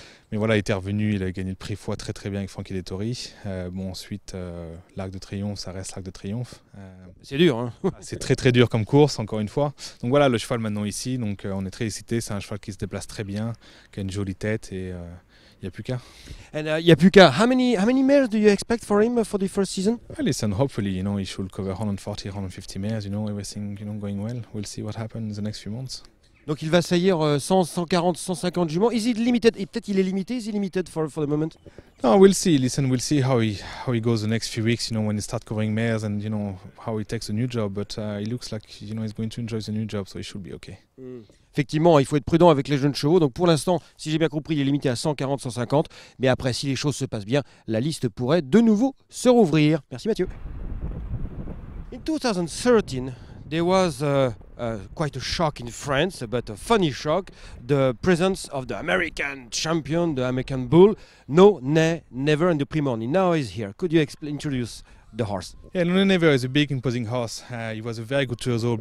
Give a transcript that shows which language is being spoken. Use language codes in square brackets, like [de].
[fr] Mais voilà, il était revenu, il a gagné le prix Foix très très bien avec Frankie Dettori. Ensuite, l'Arc de Triomphe, ça reste l'Arc de Triomphe. C'est dur, hein. C'est très très dur comme course, encore une fois. Donc voilà, le cheval maintenant ici, donc on est très excité. C'est un cheval qui se déplace très bien, qui a une jolie tête et il n'y a plus qu'à. [en] How many mares do you expect for him for the first season? Well, listen, hopefully, you know, he should cover 140, 150 mares, you know, everything, you know, going well. We'll see what happens in the next few months. [fr] Donc il va saillir 140, 150 juments. [en] Is it limited? [fr] Peut-être il est limité. [en] Is he limited for the moment? No, we'll see. Listen, we'll see how he goes the next few weeks. You know, when he starts covering mares and you know how he takes a new job. But it looks like you know he's going to enjoy the new job, so he should be okay. [fr] Effectivement, il faut être prudent avec les jeunes chevaux. Donc pour l'instant, si j'ai bien compris, il est limité à 140, 150. Mais après, si les choses se passent bien, la liste pourrait de nouveau se rouvrir. Merci Mathieu. [en] In 2013. There was quite a shock in France, but a funny shock, the presence of the American champion, the American bull, never in the Prix Morny. Now he's here. Could you introduce the horse? Yeah, No Never is a big imposing horse. He was a very good 2 years old.